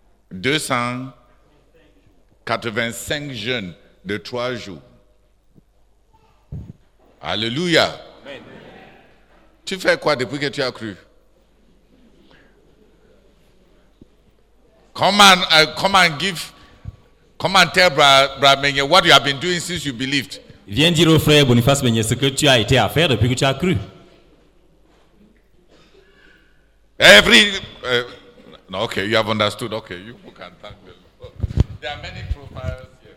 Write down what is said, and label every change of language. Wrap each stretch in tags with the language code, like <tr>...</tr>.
<fr>deux cent quatre-vingt-cinq jeûnes de 3 jours. Alléluia. Amen. Tu fais quoi depuis que tu as cru?</fr> <en>Come and tell Brother Menye what you have been doing since you believed.</en> <fr>Viens dire au frère Boniface Menye ce que tu as été à faire depuis que tu as cru.</fr> <en>Okay, you have understood. Okay, you can thank the Lord. There are many profiles.</en>